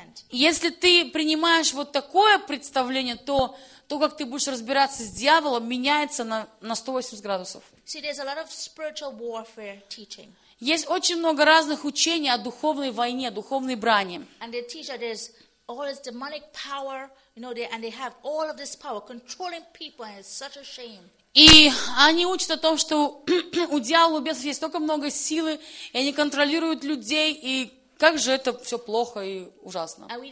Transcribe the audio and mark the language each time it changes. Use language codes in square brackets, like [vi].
[ru] Если ты принимаешь вот такое представление, то, как ты будешь разбираться с дьяволом, меняется на 180 градусов. [en] See, there's a lot of spiritual warfare teaching. [ru] Есть очень много разных учений о духовной войне, духовной брани. [en] And they teach that there's all this demonic power, you know, they have all of this power controlling people, and it's such a shame. [ru] И они учат о том, что у дьявола, у бесов есть столько много силы, и они контролируют людей, и как же это все плохо и ужасно.